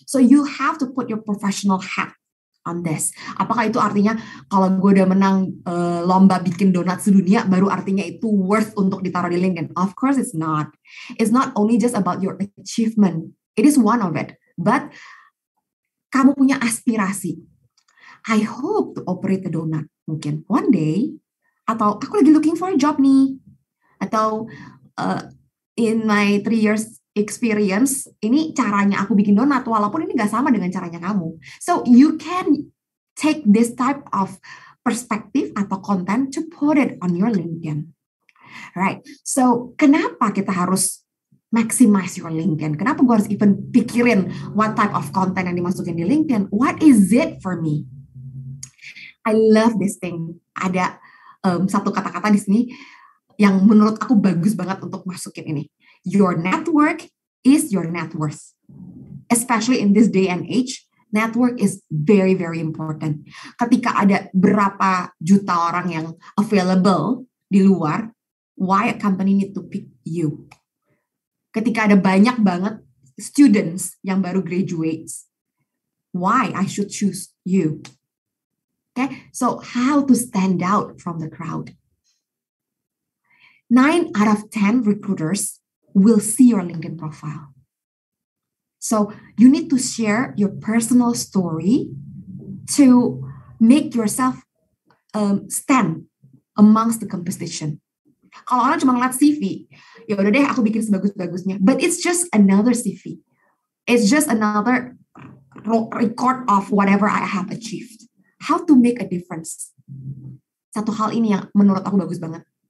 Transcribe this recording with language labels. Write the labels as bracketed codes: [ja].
[en] So you have to put your professional hat on this. [id] Apakah itu artinya kalau gue udah menang lomba bikin donat sedunia, baru artinya itu worth untuk ditaruh di LinkedIn? [en] Of course it's not. It's not only just about your achievement. It is one of it. [id] But kamu punya aspirasi. [en] I hope to operate a donut. Mungkin one day. [id] Atau aku lagi [en] looking for a job nih. [id] Atau [en] in my 3 years experience, [id] ini caranya aku bikin donat, walaupun ini gak sama dengan caranya kamu. [en] So you can take this type of perspective atau content to put it on your LinkedIn. Right. [id] So kenapa kita harus [en] maximize your LinkedIn? [id] Kenapa gue harus even pikirin [en] what type of content [id] yang dimasukin di LinkedIn? [en] What is it for me? I love this thing. [id] Ada satu kata-kata di sini yang menurut aku bagus banget untuk masukin ini. [en] Your network is your net worth. Especially in this day and age, network is very, very important. [id] Ketika ada berapa juta orang yang available di luar, [en] why a company need to pick you? [id] Ketika ada banyak banget students yang baru graduates, [en] why I should choose you? Okay, so how to stand out from the crowd? 9 out of 10 recruiters will see your LinkedIn profile. So you need to share your personal story to make yourself stand amongst the competition. [id] Kalau orang cuma ngeliat CV, ya udah deh aku bikin sebagus-bagusnya. [en] But it's just another CV. It's just another record of whatever I have achieved. How to make a difference? [id] Satu hal ini yang menurut aku bagus banget.